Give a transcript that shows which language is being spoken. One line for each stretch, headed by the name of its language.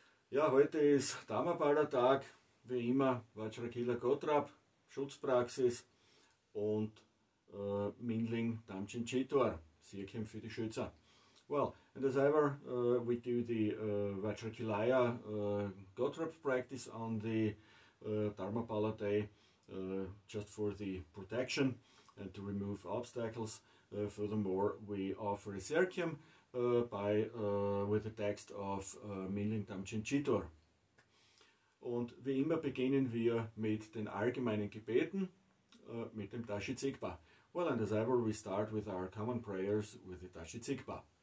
German: Ja, heute ist Dharmapala-Tag, wie immer, Vajrakilaya Gotrab, Schutzpraxis und Minling, Damchen, Chitor, Siegkämpfe für die Schützer.
English: Well, and as ever, we do the Vajrakilaya Gotrab practice on the Dharmapala Day, just for the protection and to remove obstacles. Furthermore, we offer a Sirkyam with the text of Minling Damchen Chitor.
German: Und wie immer beginnen wir mit den allgemeinen Gebeten, mit dem Tashi Tsigpa.
English: Well, and as ever, we start with our common prayers with the Tashi Tsigpa.